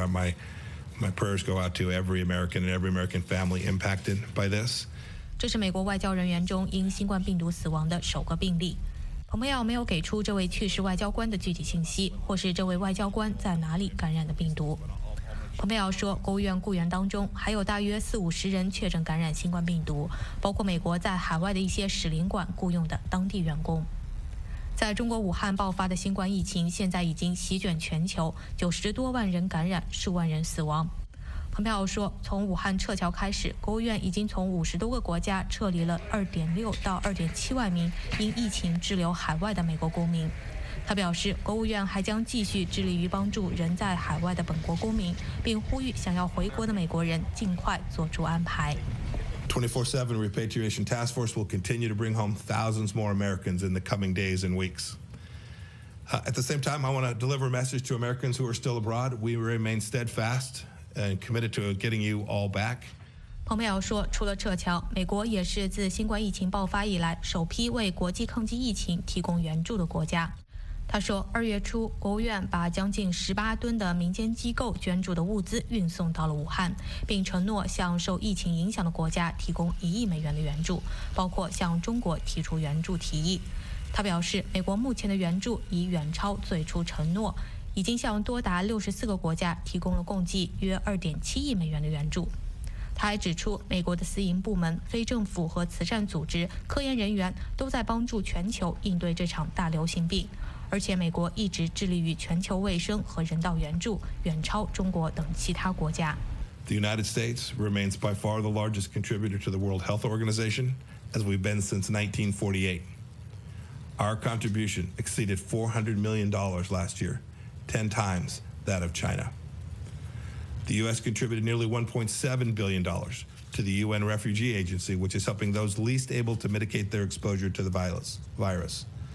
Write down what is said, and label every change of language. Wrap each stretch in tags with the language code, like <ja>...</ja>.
<en>My prayers go out to every American and every American family impacted by this.</en> <zh>这是美国外交人员中因新冠病毒死亡的首个病例。蓬佩奥没有给出这位去世外交官的具体信息，或是这位外交官在哪里感染的病毒。蓬佩奥说，国务院雇员当中还有大约40-50人确诊感染新冠病毒，包括美国在海外的一些使领馆雇用的当地员工。在中国武汉爆发的新冠疫情现在已经席卷全球，90多万人感染，数万人死亡。蓬佩奥说，从武汉撤侨开始，国务院已经从50多个国家撤离了2.6到2.7万名因疫情滞留海外的美国公民。他表示，国务院还将继续致力于帮助人在海外的本国公民，并呼吁想要回国的美国人尽快做出安排。</zh> <en>24/7 Repatriation Task Force will continue to bring home thousands more Americans in the coming days and weeks. At the same time, I want to deliver a message to Americans who are still abroad. We remain steadfast and committed to getting you all back.</en> <zh>蓬佩奥说，除了撤侨，美国也是自新冠疫情爆发以来首批为国际抗击疫情提供援助的国家。他说，2月初，国务院把将近18吨的民间机构捐助的物资运送到了武汉，并承诺向受疫情影响的国家提供1亿美元的援助，包括向中国提出援助提议。他表示，美国目前的援助已远超最初承诺，已经向多达64个国家提供了共计约2.7亿美元的援助。他还指出，美国的私营部门、非政府和慈善组织、科研人员都在帮助全球应对这场大流行病。而且美国一直致力于全球卫生和人道援助，远超中国等其他国家。</zh> <en>The United States remains by far the largest contributor to the World Health Organization, as we've been since 1948. Our contribution exceeded $400 million last year, 10 times that of China. The U.S. contributed nearly $1.7 billion to the UN Refugee Agency, which is helping those least able to mitigate their exposure to the virus.</en>